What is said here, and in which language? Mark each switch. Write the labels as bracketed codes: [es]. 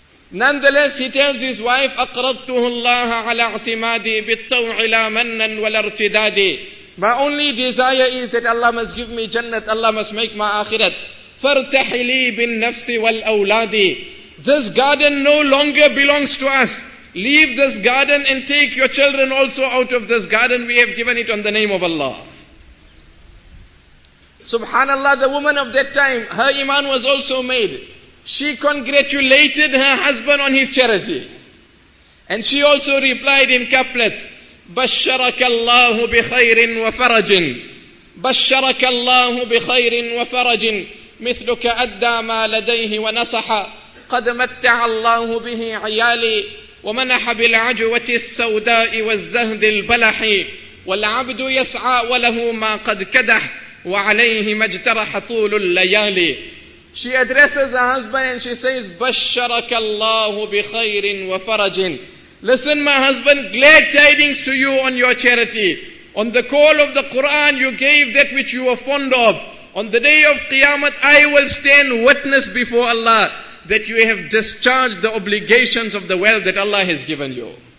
[en] Nonetheless, he tells his wife, [ar] أَقْرَضْتُهُ اللَّهَ عَلَى اعْتِمَادِ بِالطَّوْعِ لَا مَنًّا وَلَا ارْتِدَادِ. [en] My only desire is that Allah must give me Jannat, Allah must make my akhirat. [ar] فَارْتَحِلِي بِالنَّفْسِ وَالْأَوْلَادِ. [en] This garden no longer belongs to us. Leave this garden and take your children also out of this garden. We have given it on the name of Allah. Subhanallah, the woman of that time, her iman was also made. She congratulated her husband on his charity. And she also replied in couplets, [ar] بَشَّرَكَ اللَّهُ بِخَيْرٍ وَفَرَجٍ بَشَّرَكَ اللَّهُ بِخَيْرٍ وَفَرَجٍ مِثْلُكَ أَدَّى مَا لَدَيْهِ وَنَصَحَ قَدْ مَتَّعَ اللَّهُ بِهِ عِيَالِي وَمَنَحَ بِالْعَجْوَةِ السَّوْدَاءِ وَالزَّهْدِ الْبَلَحِ وَالْعَبْدُ يَسْعَى وَلَهُ مَا قَدْ كَدَحْ وَعَلَيْهِ مَجْتَرَحَ طُولُ اللَّيَالِي. [en] She addresses her husband and she says, [ar] بَشَّرَكَ اللَّهُ بِخَيْرٍ وَفَرَجٍ. [en] Listen, my husband, glad tidings to you on your charity. On the call of the Quran, you gave that which you were fond of. On the day of Qiyamah, I will stand witness before Allah that you have discharged the obligations of the wealth that Allah has given you.